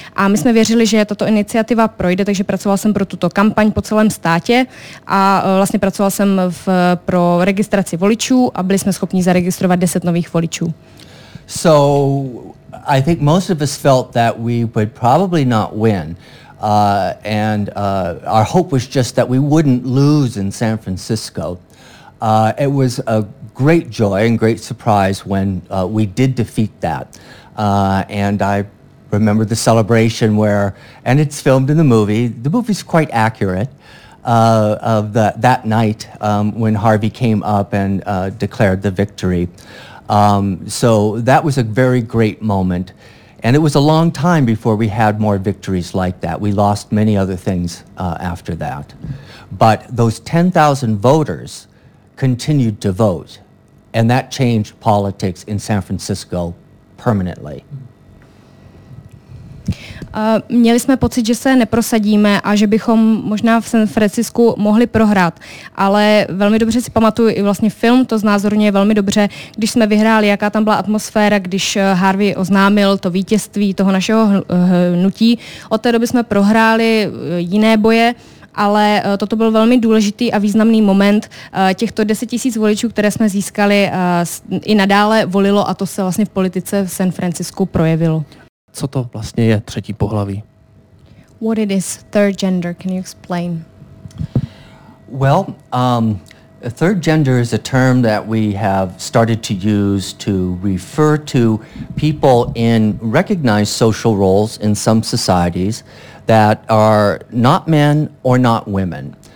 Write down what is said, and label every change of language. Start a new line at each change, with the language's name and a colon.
Czech: A my jsme věřili, že tato iniciativa projde, takže pracoval jsem pro tuto kampaň po celém státě a vlastně pracoval jsem pro registraci voličů a byli jsme schopni zaregistrovat 10 nových voličů.
English: So, I think most of us felt that we would probably not win. Our hope was just that we wouldn't lose in San Francisco. It was a great joy and great surprise when we did defeat that. And I remember the celebration where, and it's filmed in the movie's quite accurate, of that night when Harvey came up and declared the victory. So that was a very great moment. And it was a long time before we had more victories like that. We lost many other things after that. But those 10,000 voters continued to vote, and that changed politics in San Francisco permanently.
Czech: Měli jsme pocit, že se neprosadíme a že bychom možná v San Francisku mohli prohrát, ale velmi dobře si pamatuju, i vlastně film to znázorňuje velmi dobře, když jsme vyhráli, jaká tam byla atmosféra, když Harvey oznámil to vítězství toho našeho hnutí. Od té doby jsme prohráli jiné boje, ale toto byl velmi důležitý a významný moment. Těchto 10 000 voličů, které jsme získali, i nadále volilo a to se vlastně v politice v San Francisku projevilo. Co to vlastně je třetí pohlaví?
English: What it is, third gender, can you explain? Well, third gender is a term that we have started to use to refer to people in recognized social roles in some societies that are not men or not women.